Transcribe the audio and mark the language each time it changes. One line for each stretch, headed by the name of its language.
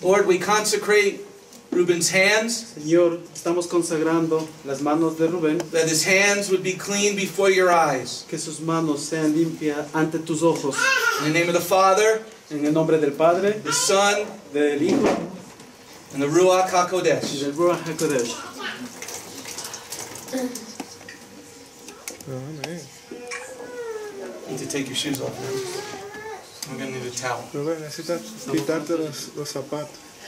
English: We consecrate Reuben's hands.
Spanish: Señor, estamos consagrando las manos de Rubén.
English: That his hands would be clean before your eyes.
Spanish: Que sus manos sean limpias ante tus ojos.
English: In the name of the Father.
Spanish: En el nombre del Padre.
English: The Son.
Spanish: Del Hijo.
English: And the Ruach HaKodesh.
Spanish: Y del Ruach HaKodesh.
English: Amen. need to take your shoes off. We're going to need a towel.
Spanish: Rubén, necesitas quitarte los zapatos.